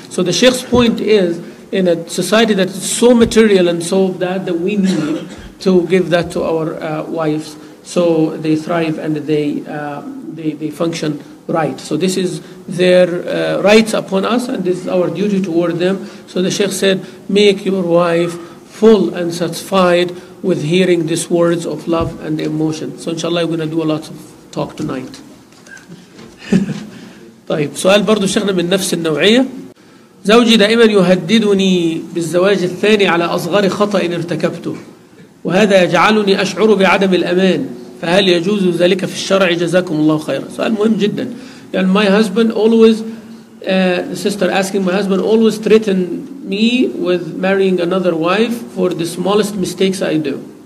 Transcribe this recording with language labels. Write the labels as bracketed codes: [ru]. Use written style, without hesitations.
[en] So the Sheikh's point is, in a society that is so material and so bad, that we need to give that to our wives so they thrive and they function right. So this is their rights upon us and this is our duty toward them. So the Sheikh said, make your wife full and satisfied with hearing these words of love and emotion. So inshallah, we're going to do a lot of talk tonight. [ar] طيب سؤال برضو شيخنا من نفس النوعية. زوجي دائما يهددني بالزواج الثاني على أصغر خطأ ارتكبته، وهذا يجعلني أشعر بعدم الأمان، فهل يجوز ذلك في الشرع جزاكم الله خيرا؟ سؤال مهم جدا. [en] يعني my husband always the sister asking, my husband always threaten me with marrying another wife for the smallest mistakes I do.